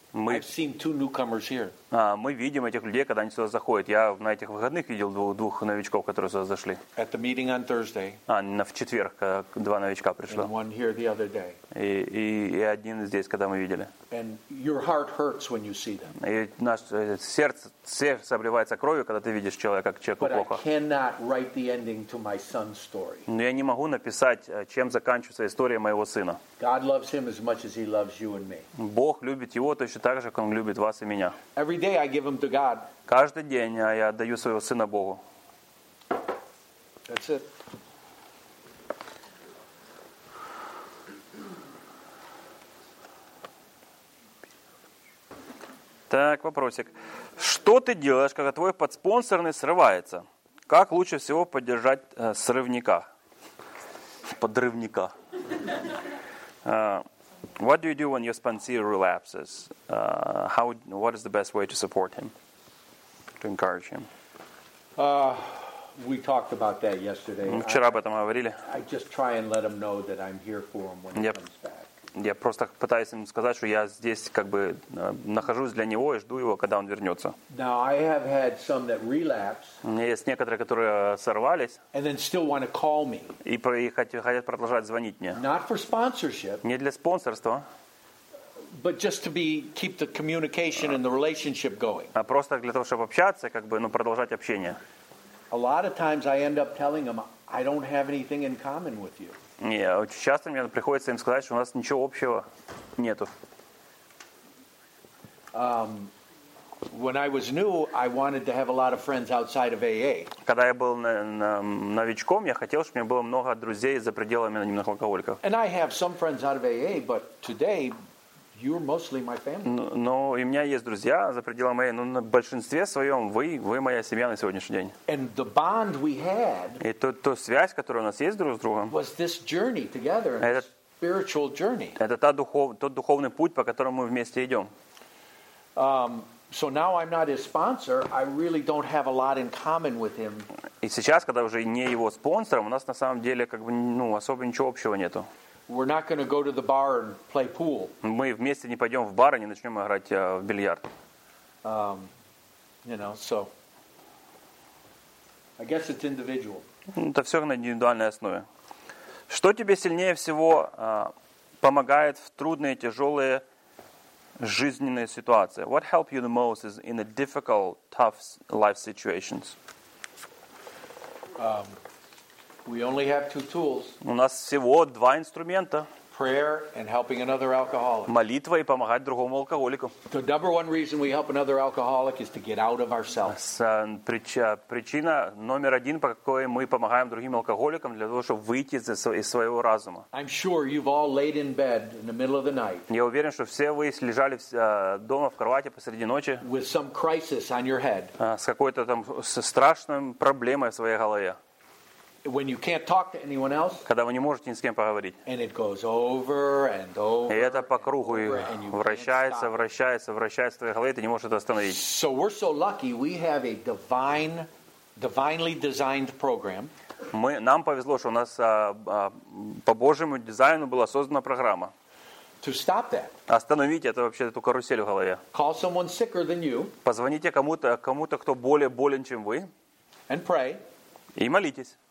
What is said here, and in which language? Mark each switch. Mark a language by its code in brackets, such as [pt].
[ru] Мы видим этих людей, когда они сюда заходят. Я на этих выходных видел двух новичков, которые сюда зашли. В четверг, когда два новичка пришло. [en] And one here the other day. [ru] И один здесь, когда мы видели. [en] And your heart hurts when you see them. [ru] И наше сердце обливается кровью, когда ты видишь человека, как человеку [en] But [ru] плохо. [en] I cannot write the ending to my son's story. [ru] Но я не могу написать, чем заканчивается история моего сына. [en] God loves him as much as he loves you and me. [ru] Бог любит его точно так же, как он любит вас и меня. [en] Every day I give him to God. [ru] Каждый день я отдаю своего сына Богу. [en] That's it. [ru] Так, вопросик. Что ты делаешь, когда твой подспонсорный срывается? Как лучше всего поддержать срывника? Подрывника. [en] What do you do when your sponsor relapses? What is the best way to support him? to encourage him. We talked about that yesterday. [ru] Вчера об этом говорили. [en] I just try and let him know that I'm here for him when he comes back. [ru] Я просто пытаюсь им сказать, что я здесь как бы нахожусь для него и жду его, когда он вернется. [en] Now, I have had some that relapse, [ru] у меня есть некоторые, которые сорвались [en] and then still want to call me. [ru] И хотят продолжать звонить мне. [en] Not for sponsorship, [ru] не для спонсорства, [en] but just to be, keep the communication and the relationship going. [ru] А просто для того, чтобы общаться, как бы, ну, продолжать общение. [en] A lot of times I end up telling them, I don't have anything in common with you. [ru] Не, очень часто мне приходится им сказать, что у нас ничего общего нету. [en] When I was new, I wanted to have a lot of friends outside of AA. [ru] Когда я был новичком, я хотел, чтобы у меня было много друзей за пределами анонимных алкоголиков. [en] And I have some friends out of AA, but today you're mostly my family. [ru] Но у меня есть друзья за пределами AA, но на большинстве своем вы моя семья на сегодняшний день. [en] And the bond we had. [ru] И ту связь, которая у нас есть друг с другом. [en] Was this journey together, a spiritual journey. [ru] Это тот духовный путь, по которому мы вместе идем. [en] So now I'm not his sponsor. I really don't have a lot in common with him. [ru] И сейчас, когда уже не его спонсором, у нас на самом деле как бы ну особо ничего общего нету. [en] We're not going to go to the bar and play pool. [ru] Мы вместе не пойдем в бар и не начнем играть в бильярд. [en] You know, so I guess it's individual. [ru] Это все на индивидуальной основе. Что тебе сильнее всего помогает в трудные, тяжелые жизненные ситуации? [en] What help you the most in the difficult, tough life situations? We only have two tools. [ru] У нас всего два инструмента. [en] Prayer and helping another alcoholic. [ru] Молитва и помогать другому алкоголику. [en] The number one reason we help another alcoholic is to get out of ourselves. [ru] Причина номер один, по которой мы помогаем другим алкоголикам, для того, чтобы выйти из своего разума. [en] I'm sure you've all laid in bed in the middle of the night. [ru] Я уверен, что все вы лежали дома в кровати посреди ночи. [en] With some crisis on your head. [ru] С какой-то там страшной проблемой в своей голове. [en] When you can't talk to anyone else, [ru] когда вы не можете ни с кем поговорить, [en] and it goes over and over, [ru] и это по кругу вращается, вращается, вращается в твоей голове, ты не можешь это остановить. [en] So we're so lucky, we have a divinely designed program. [ru] Нам повезло, что у нас по Божьему дизайну была создана программа. [en] To stop that. [ru] Остановить это вообще эту карусель в голове. [en] Call someone sicker than you. [ru] Позвоните кому-то, кто более болен, чем вы. [en] And pray. [ru] И молитесь.